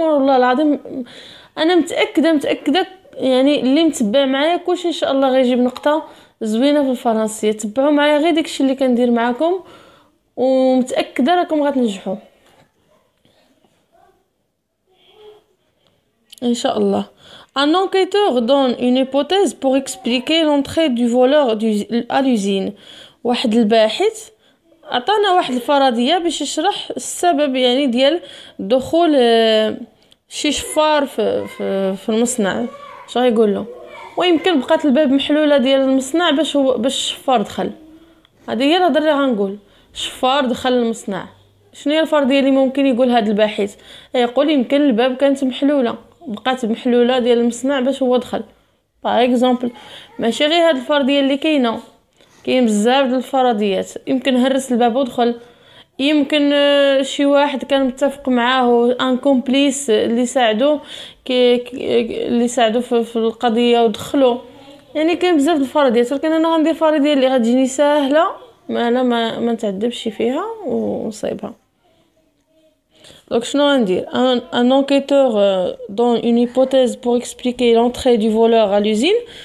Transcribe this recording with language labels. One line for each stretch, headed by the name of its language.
Arabic: والله العظيم انا متاكده يعني اللي متبع معايا كلشي ان شاء الله غيجيب نقطه زوينه في الفرنسيه. تبعوا معايا غير داكشي اللي كندير معاكم ومتاكده راكم غتنجحوا ان شاء الله.
French: Un enquêteur donne une hypothèse pour expliquer l'entrée du voleur à l'usine.
Arabic: واحد الباحث عطانا واحد الفرضيه باش يشرح السبب يعني ديال دخول شي شفار في المصنع. اش غايقول له ويمكن بقات الباب محلوله ديال المصنع باش الشفار دخل. هذه هي الهضره اللي غنقول شفار دخل المصنع. شنو هي الفرضيه اللي ممكن يقول هذا الباحث؟ يقول يمكن الباب كانت محلوله بقات محلوله ديال المصنع باش هو دخل
French: باغ اكزومبل.
Arabic: ماشي غير هاد الفرضيه اللي كاينه كاين بزاف ديال الفرضيات. يمكن هرس الباب ودخل يمكن شي واحد كان متفق معاه
French: ان كومبليس
Arabic: اللي ساعدو اللي ساعدو في القضيه ودخلو. يعني كاين بزاف ديال الفرضيات ولكن انا غندير فرضيه اللي غتجيني سهله ما انا ما نتعذبش فيها ونصيبها.
French: Donc, je vais dire, un enquêteur donne une hypothèse pour expliquer l'entrée du voleur à l'usine.